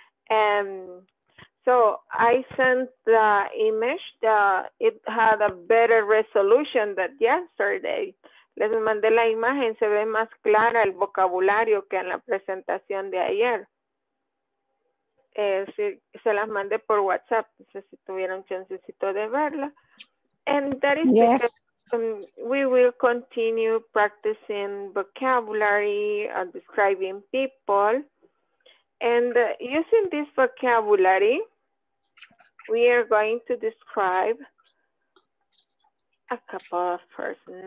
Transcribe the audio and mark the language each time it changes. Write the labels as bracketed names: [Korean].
[English] And so I sent the image. It had a better resolution than yesterday. [Spanish] Les mandé la imagen, se ve más clara el vocabulario que en la presentación de ayer. Sí, se las mandé por WhatsApp, no sé si tuvieron chancecito de verla. [English] And that is yes. We will continue practicing vocabulary and describing people. And using this vocabulary, we are going to describe a couple of persons.